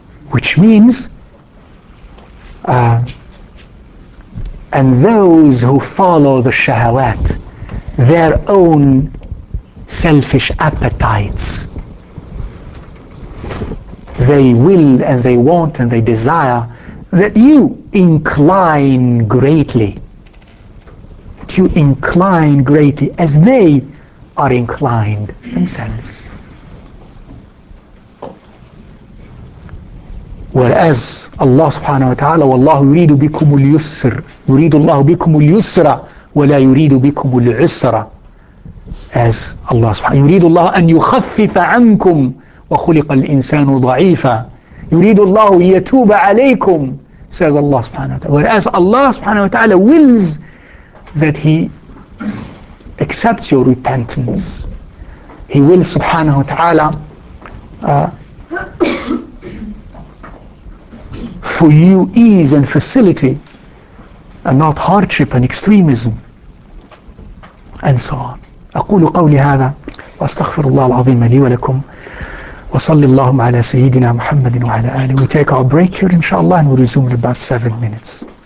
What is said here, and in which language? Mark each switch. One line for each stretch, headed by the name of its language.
English: Which means, and those who follow the shahawat, their own selfish appetites, they will and they want and they desire that you incline greatly, that you incline greatly as they are inclined themselves.
Arabic: Whereas Allah subhanahu wa ta'ala, وَاللَّهُ يُرِيدُ بِكُمُ الْيُسْرَ, يُرِيدُ اللَّهُ بِكُمُ الْيُسْرَ وَلَا يُرِيدُ بِكُمُ الْعُسْرَ. As Allah subhanahu, يُرِيدُ اللَّهُ أَن يُخَفِّفَ عَنْكُمْ وَخُلِقَ الْإِنسَانُ ضَعِيفًا, يُرِيدُ اللَّهُ لِيَتُوبَ عَلَيْكُمْ, says Allah subhanahu wa ta'ala.
English: Whereas Allah subhanahu wa ta'ala wills that He accepts your repentance. He wills subhanahu wa ta'ala for you ease and facility and not hardship and extremism and so on.
Arabic: أقول قولي هذا وأستغفر الله العظيم لي ولكم وصل اللهم على سيدنا محمد وعلى آله. We take our break here inshallah and we resume in about 7 minutes.